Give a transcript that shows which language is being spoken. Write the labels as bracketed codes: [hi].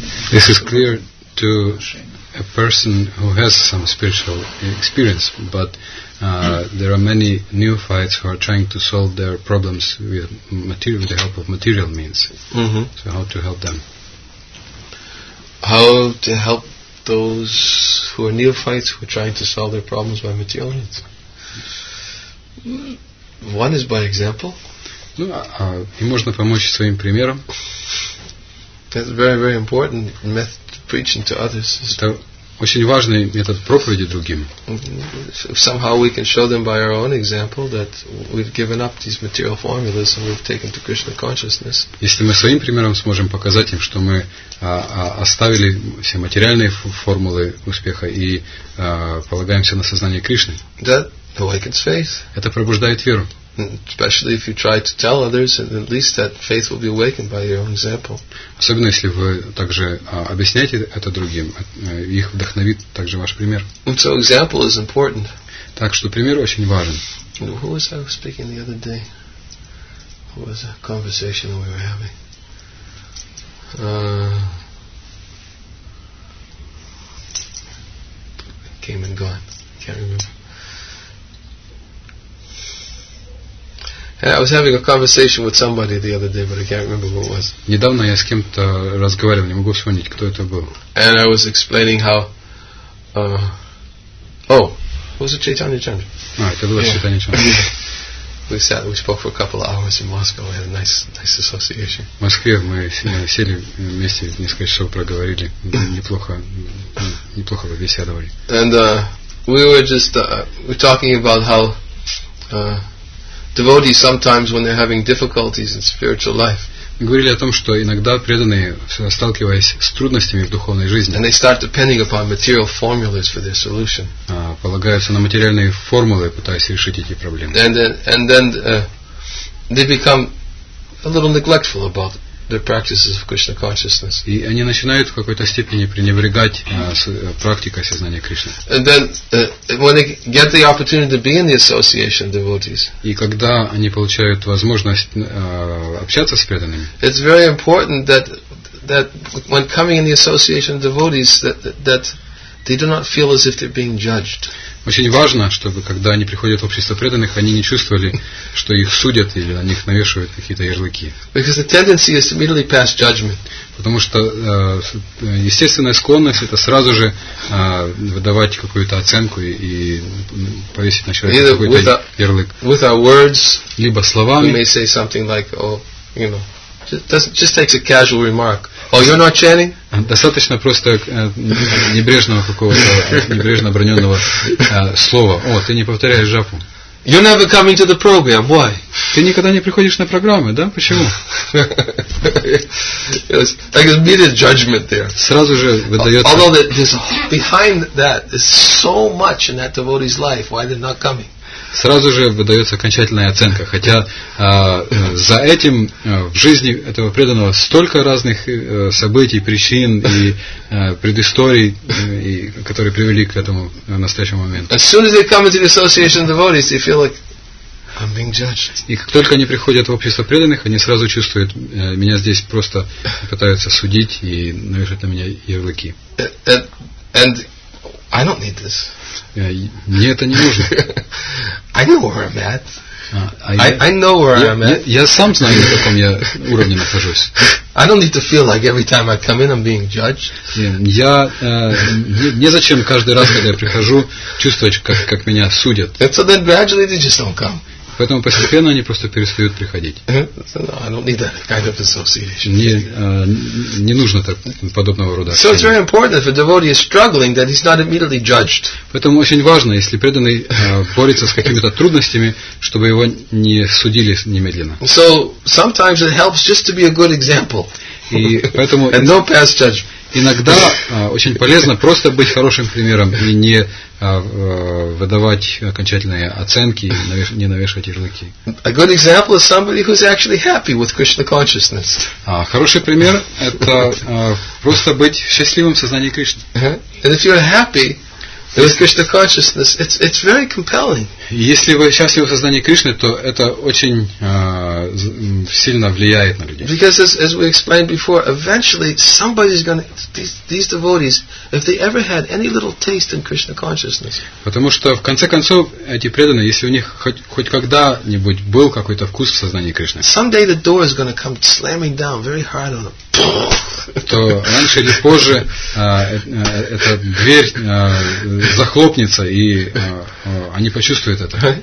[en] This is clear to a person who has some spiritual experience, but there are many neophytes who are trying to solve their problems with material, with the help of material means. Mm-hmm. So how to help them? How to help those who are neophytes who are trying to solve their problems by material means? One is by example. [ru] Ну, и можно помочь своим примером. [en] That's a very, very important method of preaching to others. [ru] Это очень важный метод проповеди другим. [en] Somehow we can show them by our own example that we've given up these material formulas and we've taken to Krishna consciousness. [ru] Если мы своим примером сможем показать им, что мы оставили все материальные формулы успеха и полагаемся на сознание Кришны. [en] That awakens faith. [ru] Это пробуждает веру. [en] Especially if you try to tell others, at least that faith will be awakened by your own example. [ru] Особенно если вы также объясняете это другим, их вдохновит также ваш пример. [en] So example is important. [ru] Так что пример очень важен. [en] Who was I speaking the other day? Who was a conversation we were having? Came and gone. Can't remember. I was having a conversation with somebody the other day, but I can't remember who it was. [ru] Недавно я с кем-то разговаривал, не могу вспомнить, кто это был. [en] And I was explaining how, Was it Chaitanya Chandra? No, it was Chaitanya Chandra. We sat. We spoke for a couple of hours in Moscow. We had a nice association. [ru] В Москве мы сели вместе несколько часов проговорили. Неплохо побеседовали. [en] And we were just we're talking about how devotees sometimes when they're having difficulties in spiritual life. [ru] Говорили о том, что иногда преданные, сталкиваясь с трудностями в духовной жизни, [en] and they start depending upon material formulas for their solution. [ru] Полагаются на материальные формулы, пытаясь решить эти проблемы. [en] And then they become a little neglectful about their practices of Krishna consciousness. [ru] И они начинают в какой-то степени пренебрегать практикой сознания Кришны. [en] And then when they get the opportunity to be in the association of devotees. [ru] И когда они получают возможность общаться с преданными. [en] It's very important that when coming in the association of devotees that they do not feel as if they're being judged. [ru] Очень важно, чтобы когда они приходят в общество преданных, они не чувствовали, что их судят или на них навешивают какие-то ярлыки. [en] Because the tendency is to immediately pass judgment. [ru] Потому что естественная склонность это сразу же выдавать какую-то оценку и повесить на человека [en] either [ru] какой-то ярлык. [en] With our words, [ru] либо словами, [en] we may say something like, oh, you know. Just takes a casual remark. Oh, you're not chanting? [ru] Достаточно просто небрежного какого-то небрежно оброненного слова. О, ты не повторяешь жапу. [en] You're never coming to the program. Why? [ru] Ты никогда не приходишь на программы, да? Почему? [en] Like immediate judgment there. [ru] Сразу же выдает. [en] Although behind that is so much in that devotee's life, why they're not coming? [ru] Сразу же выдается окончательная оценка, хотя за этим в жизни этого преданного столько разных событий, причин и предысторий, которые привели к этому настоящему моменту. [en] As soon as they come into the association of devotees, they feel like I'm being judged. [ru] И как только они приходят в общество преданных, они сразу чувствуют, меня здесь просто пытаются судить и навешать на меня ярлыки. [en] And I don't need this. [ru] Мне это не нужно. [en] I know where I'm at. I know where I'm at. [ru] Я сам знаю, на каком я уровне нахожусь. [en] I don't need to feel like every time I come in I'm being judged. [ru] Я не зачем каждый раз, когда я прихожу, чувствовать, как меня судят. [en] And so then gradually they just don't come. [ru] Поэтому постепенно они просто перестают приходить. [en] I don't need that kind of association. [ru] Не нужно так, подобного рода. [en] So it's very important if a devotee is struggling that he's not immediately judged. [ru] Поэтому очень важно, если преданный борется с какими-то трудностями, чтобы его не судили немедленно. [en] So sometimes it helps just to be a good example. [ru] И поэтому [en] and don't pass judgment. [ru] Иногда очень полезно просто быть хорошим примером и не выдавать окончательные оценки, не навешивать ярлыки. [en] A good example is somebody who's actually happy with Krishna consciousness. [ru] Хороший пример – это просто быть счастливым в сознании Кришны. [en] And if you're happy with Krishna consciousness, it's very compelling. [ru] Если вы счастливы в сознании Кришны, то это очень сильно влияет на людей. [en] Because as we explained before, eventually somebody's going to these devotees, if they ever had any little taste in Krishna consciousness. [ru] Потому что в конце концов эти преданные, если у них хоть когда-нибудь был какой-то вкус в сознании Кришны. [en] Someday the door is going to come slamming down very hard on them. [ru] То раньше или позже эта дверь захлопнется и они почувствуют это.